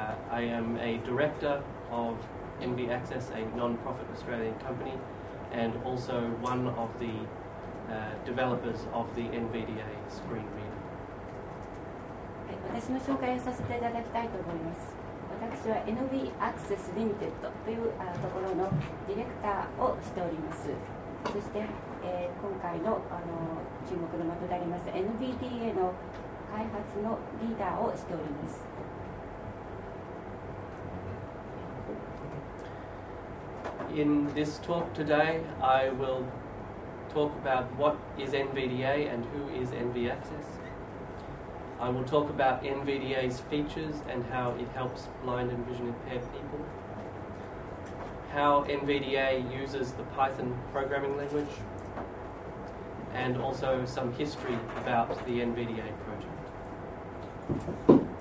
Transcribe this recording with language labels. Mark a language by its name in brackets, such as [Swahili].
[English] I am a director of NV Access, a non-profit Australian company, and also one of the developers of the NVDA screen reader. [Japanese] 私の紹介をさせていただきたいと思います。私は NV Access Limited というところのディレクターをしております。そして、今回 の, 注目の的であります NVDA の開発のリーダーをしております。 [English] In this talk today, I will talk about what is NVDA and who is NV Access. I will talk about NVDA's features and how it helps blind and vision impaired people, how NVDA uses the Python programming language, and also some history about the NVDA project.